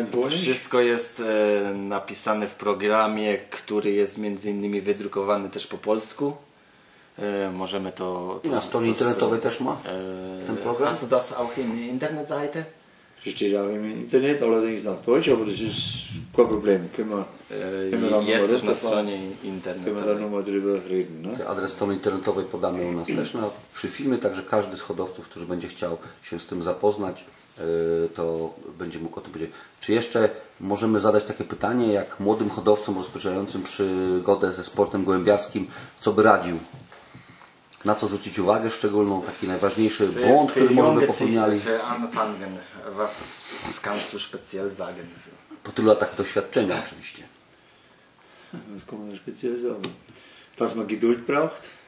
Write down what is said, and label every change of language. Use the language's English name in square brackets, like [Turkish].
[Polish] Wszystko jest napisane w programie, który jest między innymi wydrukowany też po polsku. Możemy to... Na stronie internetowej też ma ten program? [German] Hast du das auch in der Internetseite? Steht auch im Internet, allerdings auf Deutsch, aber das ist kein Problem. Können wir dann nochmal drüber reden. Ne? [Polish] Adres strony internetowej podamy u nas też przy filmie, także każdy z hodowców, który będzie chciał się z tym zapoznać, to będzie mógł o tym powiedzieć. Czy jeszcze możemy zadać takie pytanie, jak młodym hodowcom rozpoczynającym przygodę ze sportem gołębiarskim, co by radził? Na co zwrócić uwagę szczególną? Taki najważniejszy błąd, który możemy popełniali. [German] Was kannst du speziell sagen? [Polish] Po tylu latach doświadczenia oczywiście. [German] Was kann man speziell sagen? Dass man Geduld braucht.